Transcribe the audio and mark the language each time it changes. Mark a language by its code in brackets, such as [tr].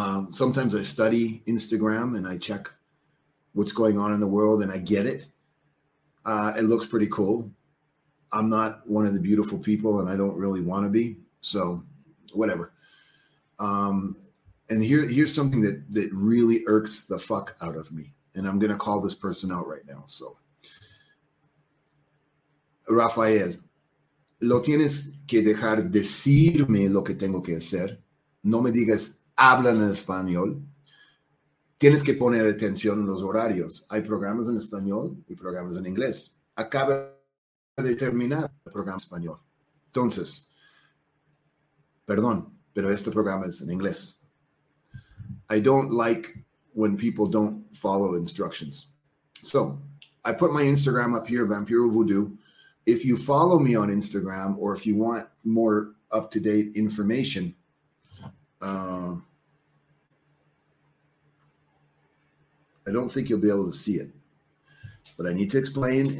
[en] Sometimes I study Instagram and I check what's going on in the world and I get it. It looks pretty cool. I'm not one of the beautiful people and I don't really want to be, so whatever. And here's something that really irks the fuck out of me. And I'm going to call this person out right now. [es] So, Rafael, lo tienes que dejar decirme lo que tengo que hacer. No me digas, habla en español. Tienes que poner atención en los horarios. Hay programas en español y programas en inglés. Acaba de terminar el programa en español. Entonces, perdón, pero este programa es en inglés. [en] I don't like when people don't follow instructions. So I put my Instagram up here, Vampiro Voodoo. If you follow me on Instagram, or if you want more up-to-date information, I don't think you'll be able to see it, but I need to explain.